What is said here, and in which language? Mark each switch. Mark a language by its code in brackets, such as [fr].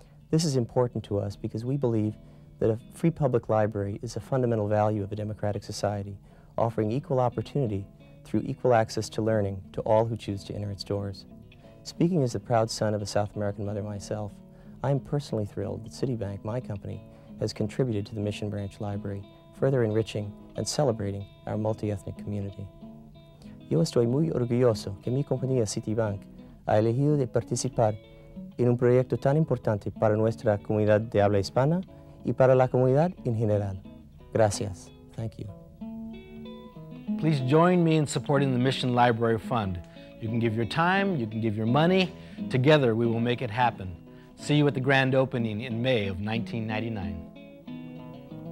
[en] This is important to us because we believe that a free public library is a fundamental value of a democratic society, offering equal opportunity through equal access to learning to all who choose to enter its doors. Speaking as the proud son of a South American mother myself, I am personally thrilled that Citibank, my company, has contributed to the Mission Branch Library, further enriching and celebrating our multi-ethnic community. [es] Yo estoy muy orgulloso que mi compañía Citibank ha elegido de participar en un proyecto tan importante para nuestra comunidad de habla hispana y para la comunidad en general. [en] Gracias. Thank you. Please join me in supporting the Mission Library Fund. You can give your time, you can give your money. Together, we will make it happen. See you at the grand opening in May of 1999.